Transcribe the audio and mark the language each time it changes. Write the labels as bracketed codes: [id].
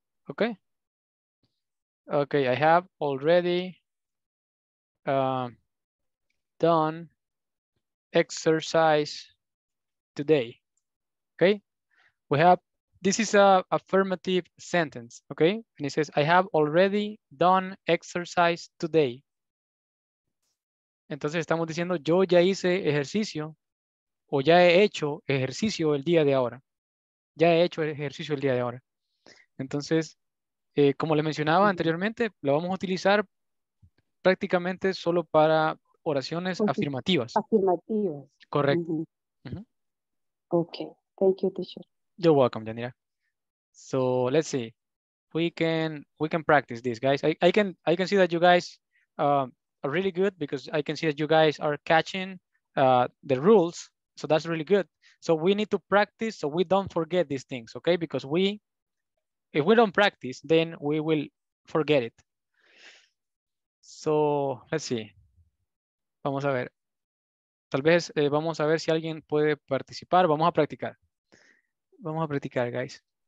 [en] Okay. Okay, I have already done exercise today. Okay. We have, this is a affirmative sentence. Okay. And it says, I have already done exercise today. [es] Entonces estamos diciendo, yo ya hice ejercicio o ya he hecho ejercicio el día de ahora. Ya he hecho el ejercicio el día de ahora. Entonces, como le mencionaba anteriormente, lo vamos a utilizar prácticamente solo para oraciones afirmativas. Afirmativas. Correcto. [en] Mm-hmm. Okay. Thank you, teacher. You're welcome, Yanira. So, let's see. We can practice this, guys. I can see that you guys are really good because I can see that you guys are catching the rules. So, that's really good. So we need to practice so we don't forget these things, okay? Because if we don't practice, then we will forget it. So let's see. [es] Vamos a ver. Tal vez vamos a ver si alguien puede participar. Vamos a practicar, guys.